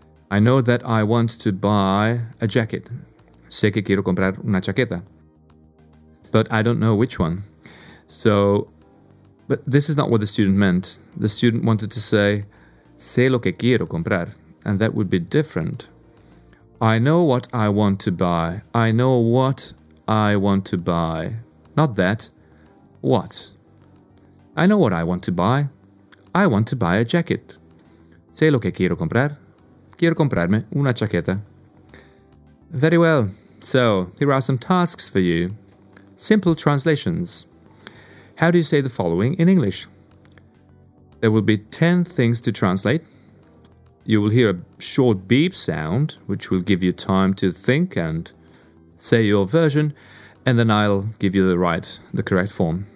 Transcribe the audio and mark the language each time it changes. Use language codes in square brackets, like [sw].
[en] I know that I want to buy a jacket. [es] Sé que quiero comprar una chaqueta. [en] But I don't know which one. So, but this is not what the student meant. The student wanted to say, [es] sé lo que quiero comprar. [en] And that would be different. I know what I want to buy. I know what I want to buy. Not that. What? I know what I want to buy. I want to buy a jacket. [es] Sé lo que quiero comprar. Quiero comprarme una chaqueta. [en] Very well. So, here are some tasks for you. Simple translations. How do you say the following in English? There will be 10 things to translate. You will hear a short beep sound, which will give you time to think and say your version, and then I'll give you the correct form.